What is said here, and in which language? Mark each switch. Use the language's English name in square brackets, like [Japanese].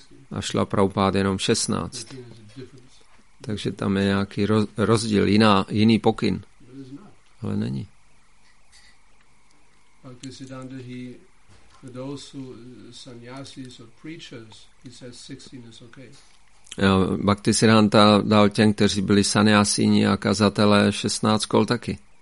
[Czech] A Srila Prabhupáda jenom 16. Takže tam je nějaký rozdíl, jiný pokyn. Ale není. [English] Bhaktisiddhanta, those who sannyasis or preachers, he says 16 is okay. [Czech] Bhaktisiddhanta dal těm, kteří byli sannyasíni a kazatelé, 16 kol taky.